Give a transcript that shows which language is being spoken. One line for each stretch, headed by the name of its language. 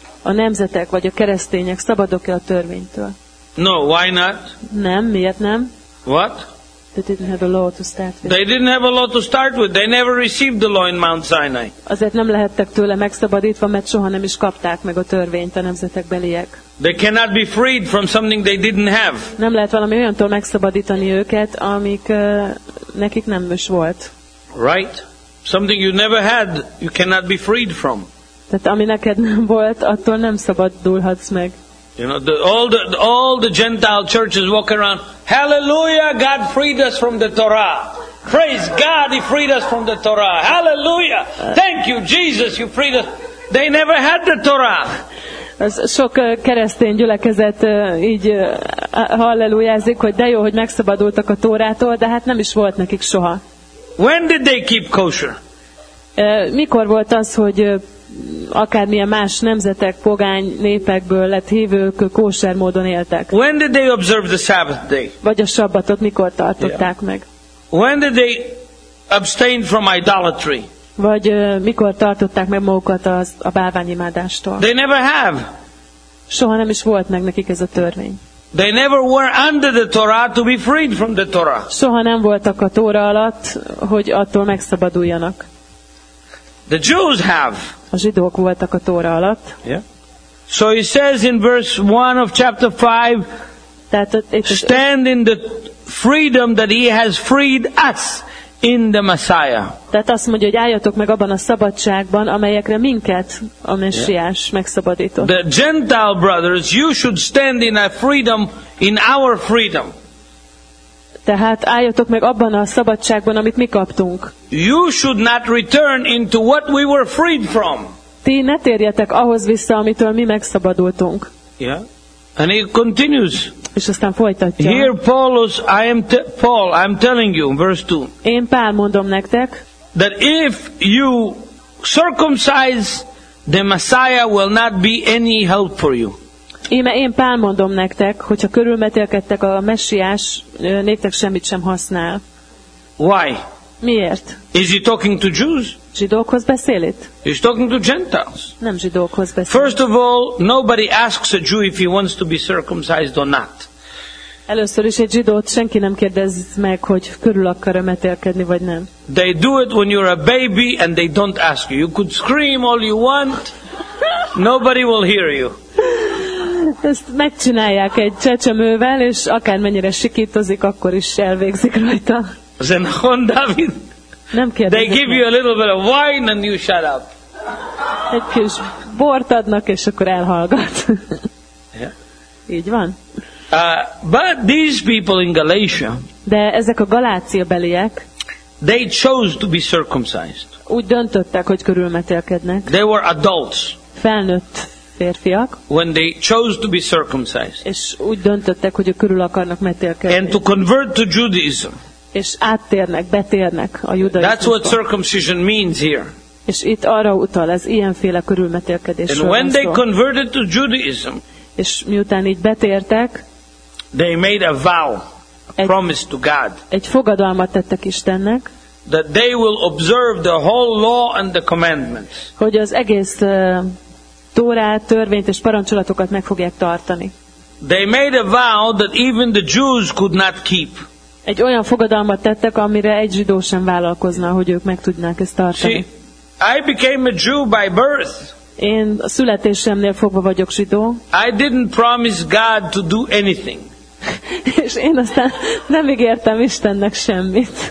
Hungarian: A nemzetek vagy a keresztények szabadok-e a törvénytől?
English: No, why not?
Hungarian: Nem, miért nem?
English: What? They didn't have a law to start with. They didn't have a law to start with. They never received the law in Mount Sinai.
Hungarian: Azért nem lehettek tőle megszabadítva, mert soha nem is kapták meg a törvényt a nemzetek beliek.
English: They cannot be freed from something they didn't have.
Hungarian: Nem lehet valami olyantól megszabadítani őket, amik nekik nem is volt.
English: Right? Something you never had, you cannot be freed from.
Hungarian: Tehát ami neked nem volt, attól nem szabadulhatsz meg.
English: You know, all the Gentile churches walk around, Hallelujah, God freed us from the Torah. Praise God, He freed us from the Torah. Hallelujah. Thank you, Jesus, You freed us. They never had the Torah.
Hungarian: Sok keresztény gyülekezet így hallelujázik, hogy de jó, hogy megszabadultak a Tórától, de hát nem is volt nekik soha.
English: When did they keep kosher?
Hungarian: Mikor volt az, hogy akármilyen más nemzetek, pogány népekből lett hívők kosher módon éltek?
English: When did they observe the Sabbath day?
Hungarian: Vagy a sabbatot mikor tartották meg?
English: When did they abstain from idolatry?
Hungarian: Vagy mikor tartották meg magukat a bálványimádástól?
English: They never have.
Hungarian: Soha nem is volt meg nekik ez a törvény.
English: They never were under the Torah to be freed from the Torah.
Hungarian: Soha nem voltak a Tóra alatt, hogy attól megszabaduljanak.
English: The Jews have.
Hungarian: A zsidók voltak a Tóra alatt.
English: Yeah. So he says in verse 1 of chapter 5, stand in the freedom that he has freed us. In the Messiah.
Hungarian: Tehát azt mondja, hogy álljatok meg abban a szabadságban, amelyekre minket a Messiás megszabadított.
English: The Gentile brothers, you should stand in a freedom, in our freedom.
Hungarian: Tehát álljatok meg abban a szabadságban, amit mi kaptunk.
English: You should not return into what we were freed from.
Hungarian: Ti ne térjetek ahhoz vissza, amitől mi megszabadultunk.
English: Yeah. And he continues.
Hungarian: És aztán folytatja.
English: Here Paulus, I'm telling you, verse 2.
Hungarian: Én Pál mondom nektek,
English: that if you circumcise, the Messiah will not be any help for you.
Hungarian: Én Pál mondom nektek, hogyha körülmetélkedtek a Messiás, néktek semmit sem használ.
English: Why?
Hungarian: Miért?
English: Is he talking to Jews?
Hungarian: Zsidókhoz beszél itt?
English: He's talking to Gentiles.
Hungarian: Nem zsidókhoz beszél.
English: First of all, nobody asks a Jew if he wants to be circumcised or not.
Hungarian: Először is egy zsidót senki nem kérdez meg, hogy körül akar-e metélkedni vagy nem.
English: They do it when you're a baby and they don't ask you. You could scream all you want, nobody will hear you.
Hungarian: Ezt megcsinálják egy csecsemővel, és akármennyire sikítozik, akkor is elvégzik rajta. Zenon David. Nem kérdezik.
English: They give you a little bit of wine and you shut up.
Hungarian: Egy kis bort adnak, és akkor elhallgat.
English: Yeah.
Hungarian: Így van.
English: But these people in Galatia.
Hungarian: De ezek a Galácia beliek.
English: They chose to be circumcised.
Hungarian: Úgy döntöttek, hogy körülmetélkednek.
English: They were adults.
Hungarian: Felnőtt férfiak.
English: When they chose to be circumcised. És úgy döntöttek, hogy a körül akarnak metélkedni. And to convert to Judaism. És áttérnek, betérnek a judaizmusba. That's what circumcision means here.
Hungarian: És itt arra utal, ez ilyenféle körülmetélkedésről van szó.
English: And when they converted to Judaism,
Hungarian: és miután így betértek,
English: they made a vow, a promise to God,
Hungarian: egy fogadalmat tettek Istennek,
English: that they will observe the whole law and the commandments.
Hungarian: Hogy az egész Tórát, törvényt és parancsolatokat meg fogják tartani.
English: They made a vow that even the Jews could not keep.
Hungarian: Egy olyan fogadalmat tettek, amire egy zsidó sem vállalkozna, hogy ők meg tudnák ezt tartani.
English: See, I became a Jew by birth.
Hungarian: Én a születésemnél fogva vagyok zsidó.
English: I didn't promise God to do anything.
Hungarian: És én aztán nem ígértem Istennek semmit.